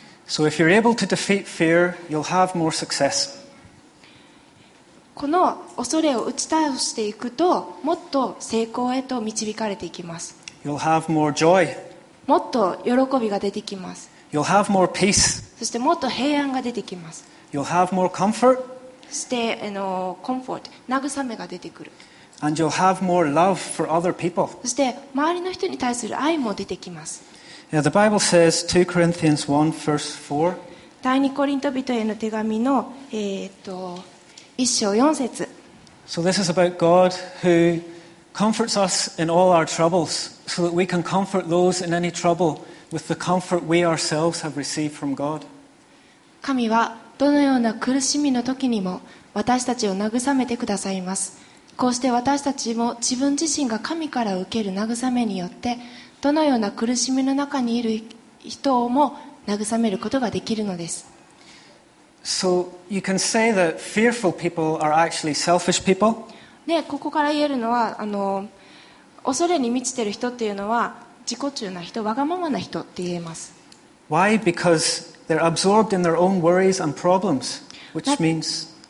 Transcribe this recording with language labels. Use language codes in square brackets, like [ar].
[en] So if you're able to defeat fear, you'll have more success. [ja] この恐れを打ち倒していくと、もっと成功へと導かれていきます。 [en] You'll have more joy. [ja] もっと喜びが出てきます。 [en] You'll have more peace. [ja] そしてもっと平安が出てきます。 [en] You'll have more comfort. [ja] して、comfort、慰めが出てくる。 [en] And you'll have more love for other people. [ja] そして、周りの人に対する愛も出てきます。 [en] Yeah, the Bible says 2 Corinthians 1 verse 4. [ja] 第2コリント人への手紙の、1章4節。 [en] So this is about God who comforts us in all our troubles so that we can comfort those in any trouble with the comfort we ourselves have received from God. [ja] 神はどのような苦しみの時にも私たちを慰めてくださいます。こうして私たちも自分自身が神から受ける慰めによって、どのような苦しみの中にいる人をも慰めることができるのです。 [en] So you can say that fearful people are actually selfish people. [ja] ね、ここから言えるのは、恐れに満ちている人っていうのは自己中な人、わがままな人って言えます。 [en] Why? Because they're absorbed in their own worries and problems, which means